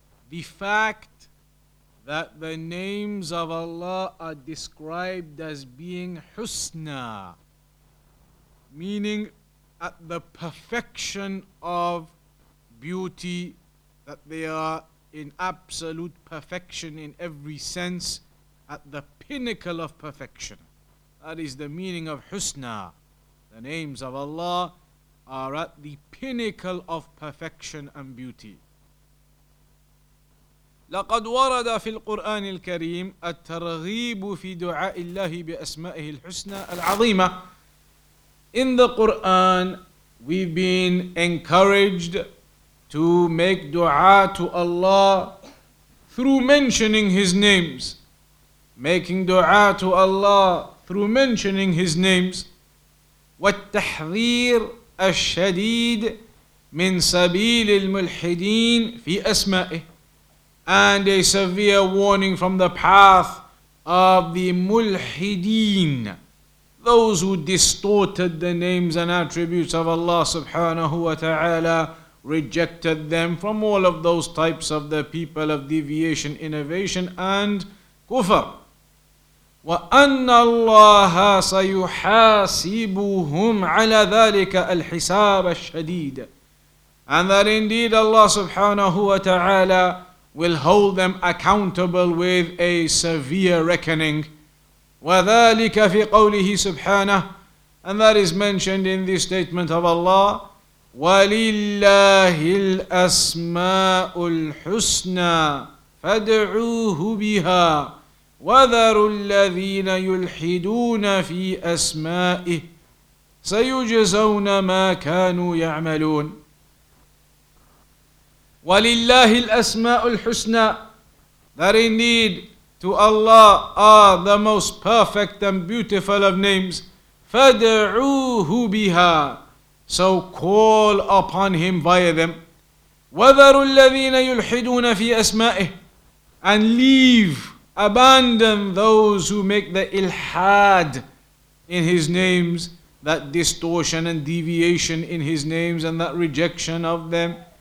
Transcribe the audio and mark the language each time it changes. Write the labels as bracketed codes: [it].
[en] The fact that the names of Allah are described as being husna, meaning at the perfection of beauty, that they are in absolute perfection in every sense, at the pinnacle of perfection. That is the meaning of husna. The names of Allah are at the pinnacle of perfection and beauty. [ar] لقد ورد في القرآن الكريم الترغيب في دعاء الله بأسمائه الحسنى العظيمة. [en] In the Quran, we've been encouraged to make dua to Allah through mentioning His names. Making dua to Allah through mentioning His names. [ar] والتحذير الشديد من سبيل الملحدين في أسمائه. [en] And a severe warning from the path of the ملحدين. Those who distorted the names and attributes of Allah subhanahu wa ta'ala, rejected them from all of those types of the people of deviation, innovation, and kufr. [ar] وَأَنَّ اللَّهَ سَيُحَاسِبُهُمْ عَلَى ذَلِكَ الْحِسَابَ الشَّدِيدَ. [en] And that indeed Allah subhanahu wa ta'ala will hold them accountable with a severe reckoning. [ar] وذلك في قوله سبحانه, [en] and that is mentioned in this statement of Allah, [ar] ولله الأسماء الحسنى فادعوه بها وذروا الذين يلحدون في أسمائه سيجزون ما كانوا يعملون ولله الأسماء الحسنى. [en] That indeed to Allah are the most perfect and beautiful of names. [ar] فَدْعُوهُ بِهَا. [en] So call upon Him via them. [ar] وَذَرُوا الَّذِينَ يُلْحِدُونَ فِي أَسْمَائِهِ. [en] And leave, abandon those who make the ilhad in His names, that distortion and deviation in His names and that rejection of them.